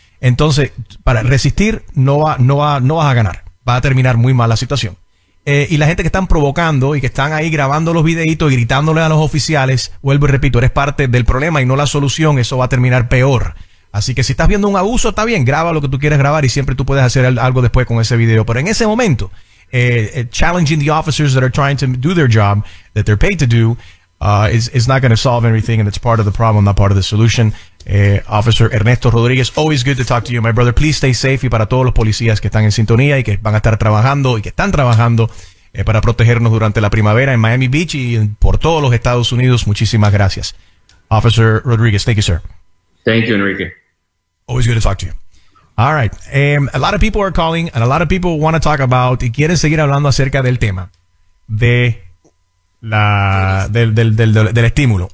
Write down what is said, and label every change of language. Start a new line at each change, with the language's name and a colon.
Spanish: Entonces, para resistir, no vas a ganar. Va a terminar muy mal la situación. Y la gente que están provocando y que están ahí grabando los videitos y gritándole a los oficiales, vuelvo y repito, eres parte del problema y no la solución, eso va a terminar peor. Así que si estás viendo un abuso, está bien, graba lo que tú quieres grabar y siempre tú puedes hacer algo después con ese video. Pero en ese momento,
English: challenging the officers that are trying to do their job, that they're paid to do, is not going to solve everything, and it's part of the problem, not part of the solution. Officer Ernesto Rodríguez, always good to talk to you, my brother. Please stay safe.
Spanish: Y para todos los policías que están en sintonía y que van a estar trabajando y que están trabajando para protegernos durante la primavera en Miami Beach y por todos los Estados Unidos, muchísimas gracias.
English: Officer Rodríguez, thank you, sir. Thank you, Enrique. Always good to talk to you. All right. A lot of people are calling and a lot of people want to talk about
Spanish: y quieren seguir hablando acerca del tema de la del estímulo.